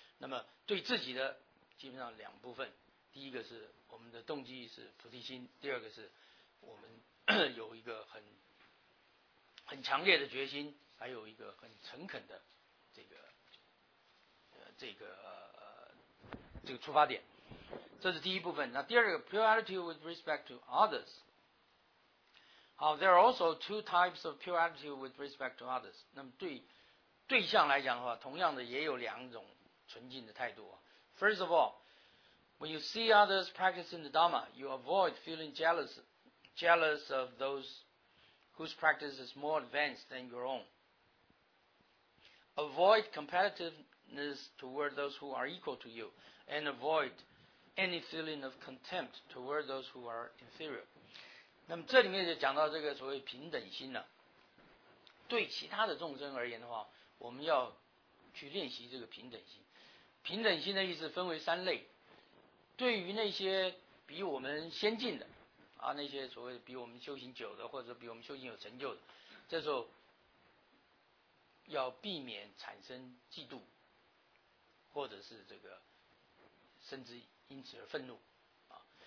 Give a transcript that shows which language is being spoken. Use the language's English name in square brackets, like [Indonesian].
[Chinese] 那么对自己的基本上两部分，第一个是我们的动机是菩提心，第二个是我们有一个很强烈的决心，还有一个很诚恳的这个出发点，这是第一部分。那第二个 [English] pure attitude with respect to others， 好， there are also two types of pure attitude with respect to others。 [Chinese] 那么对象来讲的话，同样的也有两种纯净的态度。 [English] First of all， when you see others practicing the Dhamma， you avoid feeling jealous of those whose practice is more advanced than your own。 Avoid competitiveness toward those who are equal to you， and avoid any feeling of contempt toward those who are inferior。 [Chinese] 那么这里面就讲到这个所谓平等心了。对其他的众生而言的话，我们要去练习这个平等心。平等心的意思分为三类，对于那些比我们先进的啊，那些所谓比我们修行久的，或者比我们修行有成就的，这时候要避免产生嫉妒，或者是这个甚至因此而愤怒啊。